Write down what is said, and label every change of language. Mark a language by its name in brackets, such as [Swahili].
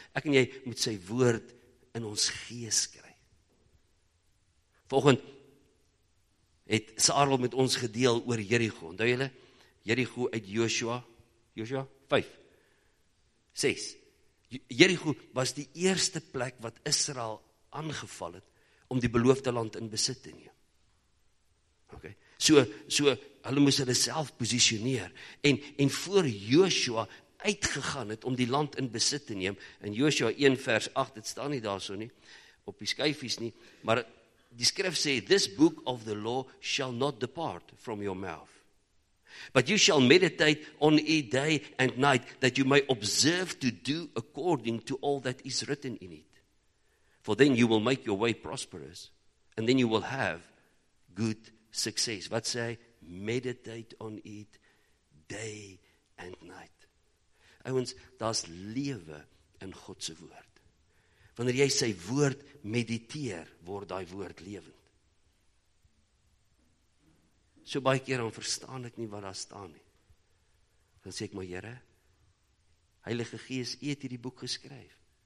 [Afrikaans] Ek en jy moet sy woord in ons gees kry. Vanoggend het Sarel met ons gedeel oor Jericho. Onthou julle, Jericho uit Joshua 5, 6. Jericho was die eerste plek wat Israel aangeval het om die beloofde land in besit te neem. Okay. So hulle moes hulle self positioneer en voor Joshua uitgegaan het om die land in besit te neem, in Joshua 1 vers 8, dit staan nie daar so nie, op die skyfies nie, maar die skrif sê, [English] this book of the law shall not depart from your mouth. But you shall meditate on it day and night, that you may observe to do according to all that is written in it. For then you will make your way prosperous, and then you will have good success. [Afrikaans] Wat sê, [English] meditate on it day and night. [Afrikaans] Ouens, daar's lewe in God se woord. Wanneer jy sy woord mediteer, word daai woord lewend. So baie keer dan verstaan ek nie wat daar staan nie. Dan sê ek, maar Here, Heilige Gees, U het hierdie boek geskryf.